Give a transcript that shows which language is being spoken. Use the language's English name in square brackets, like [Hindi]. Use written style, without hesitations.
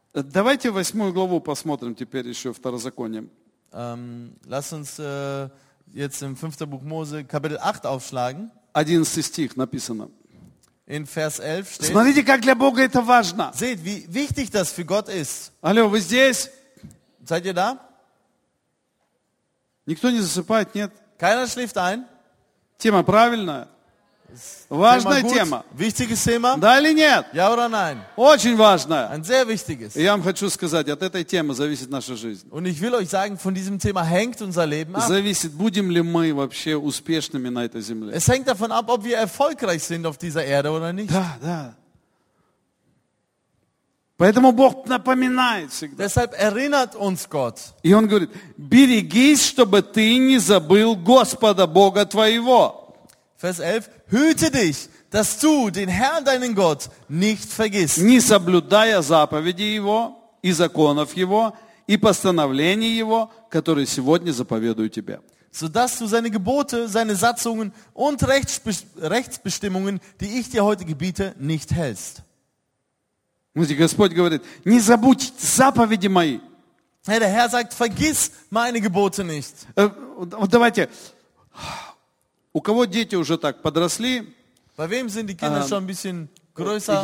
[Russian] Давайте восьмую главу посмотрим теперь еще второзаконием. [German] Lass uns jetzt im 5. Buch Mose Kapitel 8 aufschlagen. 11. Stich, [Russian] написано. [German] In Vers 11 steht. [Russian] Смотрите, как для Бога это важно. [German] Seht, wie wichtig das für Gott ist. [Russian] Алло, вы здесь? [German] Seid ihr da? [Russian] Никто не засыпает, нет? [German] Keiner schläft ein? [Russian] Тема правильная. Важная тема. [German] Wichtiges Thema? [Russian] Да или нет? [German] Ja oder nein? [Russian] Очень важная. [German] Ein sehr wichtiges. [Russian] Я вам хочу сказать, от этой темы зависит наша жизнь. [German] Und ich will euch sagen, von diesem Thema hängt unser Leben ab. [Russian] Зависит, будем ли мы вообще успешными на этой земле. [German] Es hängt davon ab, ob wir erfolgreich sind auf dieser Erde oder nicht. [Russian] Да, да. Поэтому Бог напоминает всегда. [German] Deshalb erinnert uns Gott. [Russian] И Он говорит, берегись, чтобы ты не забыл Господа Бога твоего. [German] Vers 11. Hüte dich, dass du den Herrn, deinen Gott, nicht vergisst. [Russian] Не соблюдая заповедей Его и законов Его и постановлений Его, которые сегодня заповедую тебе. [German] Sodass du seine Gebote, seine Satzungen und Rechtsbestimmungen, die ich dir heute gebiete, nicht hältst. [Russian] Господь говорит, не забудь заповеди мои. [German] Der Herr sagt, vergiss meine Gebote nicht. [Russian] Давайте. У кого дети уже так подросли? [German] Bei wem sind die Kinder schon ein bisschen größer?